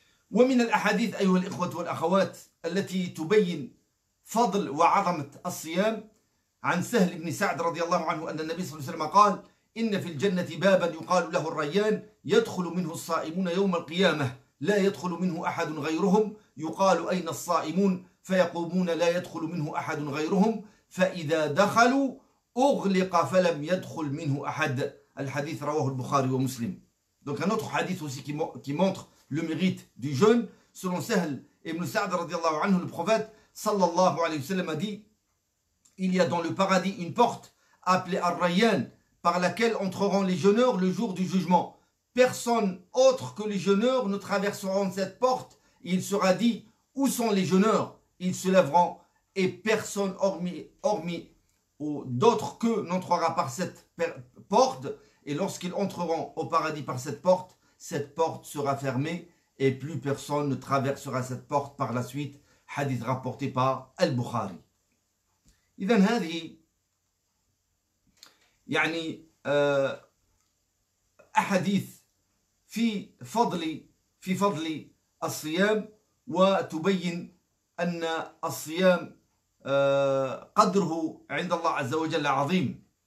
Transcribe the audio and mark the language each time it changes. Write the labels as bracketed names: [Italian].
[Arabic] ومن الأحاديث أيها الإخوة والأخوات التي تبين فضل وعظمة الصيام عن سهل بن سعد رضي الله عنه أن النبي صلى الله عليه وسلم قال: إن في الجنة بابا يقال له الريان، يدخل منه الصائمون يوم القيامة، لا يدخل منه أحد غيرهم، يقال: أين الصائمون؟ فيقومون: لا يدخل منه أحد غيرهم، فإذا دخلوا أغلق فلم يدخل منه أحد. الحديث رواه البخاري ومسلم. [French] Donc un autre hadith aussi qui montre le mérite du jeûne. Selon Sahl ibn Sa'd radiallahu anhu, le prophète sallallahu alayhi wa sallam a dit: il y a dans le paradis une porte appelée Ar-Rayyan par laquelle entreront les jeûneurs le jour du jugement. Personne autre que les jeûneurs ne traverseront cette porte. Il sera dit: où sont les jeûneurs? Ils se lèveront et personne hormis ou d'autres qu'eux n'entrera par cette porte. Et lorsqu'ils entreront au paradis par cette porte sera fermée et plus personne ne traversera cette porte par la suite. Hadith rapporté par Al-Bukhari. [Arabic] إذن هذه يعني أحاديث في فضل الصيام وتبين أن الصيام قدره عند الله عز وجل عظيم.